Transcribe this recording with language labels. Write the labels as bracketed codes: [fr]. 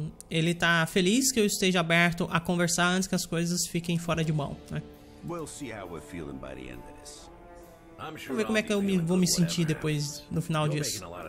[pt] Ele tá feliz que eu esteja aberto a conversar antes que as coisas fiquem fora de mão, né? [en] We'll see how we're feeling by the end of this. [pt] Vamos ver como é que eu vou me sentir depois, no final disso.